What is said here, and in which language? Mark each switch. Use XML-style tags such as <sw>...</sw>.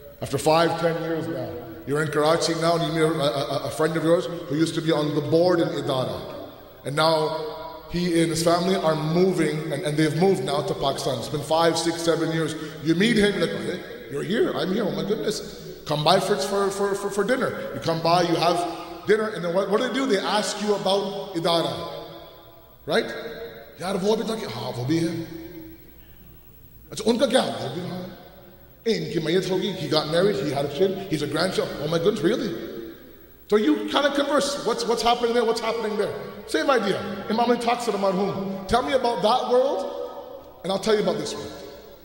<en>After 5-10 years now, you're in Karachi now, and you meet a friend of yours who used to be on the board in Idara, and now he and his family are moving, and they've moved now to Pakistan. It's been 5, 6, 7 years. You meet him, like, okay, you're here, I'm here, oh my goodness. Come by for dinner. You come by, you have dinner, and then what do? They ask you about Idara, right?</en> <ur>یار، وہ بھی تک، ہاں، وہ بھی ہے۔ اچھا، انکا کیا؟ وہ بھی ہے۔ Inki mayat hogi,</ur> <en>he got married, he had a kid, he's a grandchild. Oh my goodness, really? So you kind of converse, what's happening there, what's happening there? Same idea. Imam Ali talks to the marhum. Tell me about that world, and I'll tell you about this world.</en>